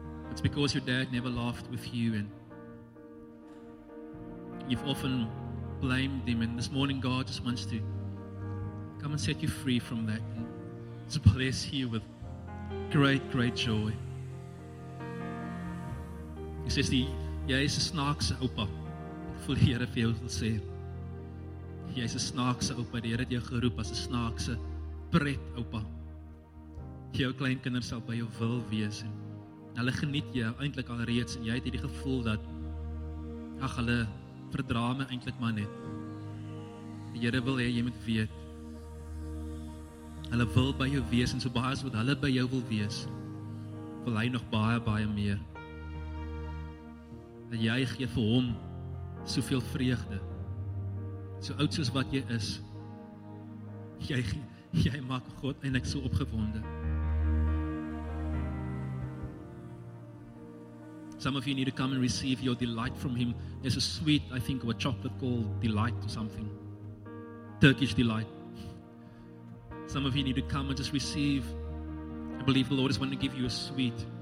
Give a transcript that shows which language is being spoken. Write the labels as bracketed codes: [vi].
[en] It's because your dad never laughed with you, and you've often blamed him. And this morning, God just wants to come and set you free from that and to bless you with great, great joy. He says, [af] Jy is 'n snaakse oupa. Ek voel die Here vir jou wil sê. Jy is 'n snaakse oupa. Die Here het jou geroep as 'n snaakse pret oupa. Jou kleinkinders sal by jou wil wees. En hulle geniet jou eintlik al reeds. En jy het hierdie gevoel dat, ag, hulle verdra my eintlik maar net. Die Here wil hê jy moet weet. Hulle wil by jou wees. En so baie as wat hulle by jou wil wees, wil hy nog baie, baie meer. Dat jy gee vir hom soveel vreugde. So oud soos wat jy is. Jy maak God eintlik so opgewonde. [en] Some of you need to come and receive your delight from him. There's a sweet, I think, of a chocolate called delight or something. Turkish delight. Some of you need to come and just receive. I believe the Lord is wanting to give you a sweet.